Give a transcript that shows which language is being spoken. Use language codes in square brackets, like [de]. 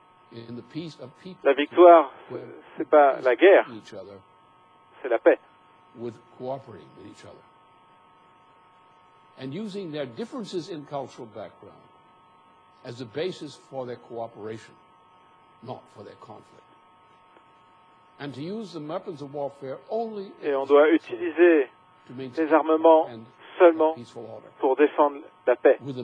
[fr] La victoire, c'est pas la guerre, c'est la paix. [en] And using their differences in cultural background as a basis for their cooperation, not for their conflict. [fr] Et on doit utiliser les armements seulement pour défendre la paix.